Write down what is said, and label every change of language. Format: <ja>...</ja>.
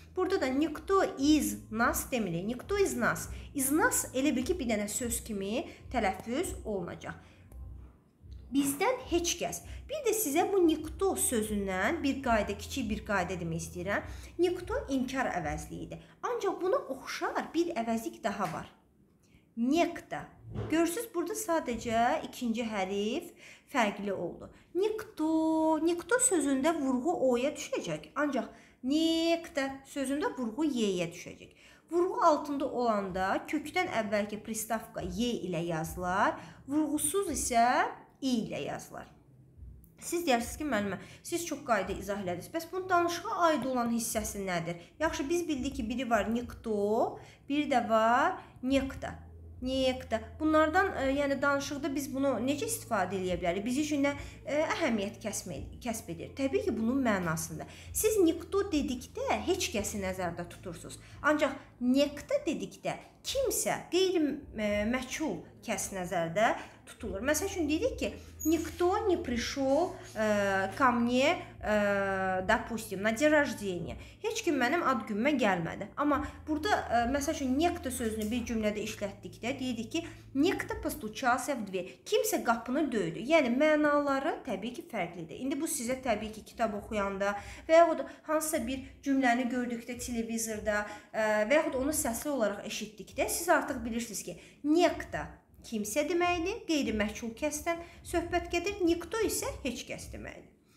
<az>Burada da</az> <ru>никто из нас</ru> <az>demirik.</az> <ru>Никто из нас. Из нас</ru> <az>elə bil ki, bir dənə söz kimi tələffüz olunacaq. Bizdən heç kəs. Bir də sizə bu никто sözündən bir qayda, kiçik bir qayda demək istəyirəm. Никто inkar əvəzliyidir. Ancaq buna oxşar bir əvəzlik daha var.</az> <ru>Некто.</ru> <az>Görürsünüz, burada sadəcə ikinci hərif fərqli oldu.</az> <ru>Никто.</ru> <az>Никто sözündə vurğu O-ya düşəcək. Ancaq Nikta sözündə vurğu Y-yə düşəcək. Vurğu altında olanda kökdən əvvəlki pristavka Y ilə yazılar, vurğusuz isə İ ilə yazılar. Siz deyərsiniz ki, müəllimə, siz çox qayda izah elədiniz. Bəs bunun danışığa aid olan hissəsi nədir? Yaxşı, biz bildik ki, biri var nikto, biri də var nikta. Nikta. Bunlardan, yəni danışıqda biz bunu necə istifadə edə bilərik? Biz üçün nə əhəmiyyət kəsb edir? Təbii ki, bunun mənasında. Siz nikto dedikdə heç kəsi nəzərdə tutursunuz. Ancaq nikta dedikdə kimsə qeyri-məçhul kəs nəzərdə tutulur. Məsəl üçün, dedik ki,</az> <ru>никто не пришел ко мне, допустим, на день рождения.</ru> <az>Heç kim mənim ad günümə gəlmədi. Amma burada, məsəl üçün, некто sözünü bir cümlədə işlətdikdə, dedik ki,</az> <ru>некто постучался в дверь.</ru> <az>Kimsə qapını döydü. Yəni, mənaları təbii ki, fərqlidir. İndi bu sizə təbii ki, kitab oxuyanda və yaxud hansısa bir cümləni gördükdə televizorda və yaxud onu səsli olaraq eşitdikdə, siz artıq bilirsiniz ki, некто kimsə deməkdir, qeyri-məçhul kəsdən söhbət gedir, никто isə heç kəs deməkdir.</az>